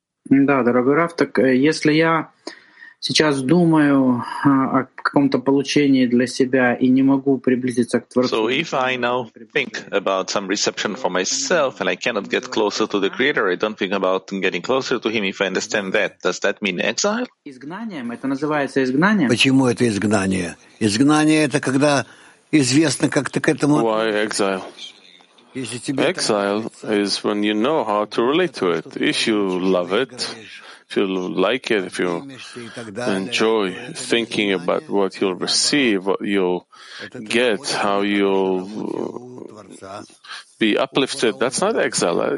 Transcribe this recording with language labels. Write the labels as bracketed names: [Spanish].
[Russian] Да, дорогой Раф, так если я сейчас думаю о каком-то получении для себя и не могу приблизиться к Творцу. [English] So if I now think about some reception for myself and I cannot get closer to the Creator, I don't think about getting closer to Him, if I understand that, does that mean exile? [Russian] Изгнанием, это называется изгнанием. Почему это изгнание? Изгнание — это когда известно, как ты к этому... [English] Why exile? Exile is when you know how to relate to it. If you love it, if you like it, if you enjoy thinking about what you'll receive, what you'll get, how you'll be uplifted, that's not exile.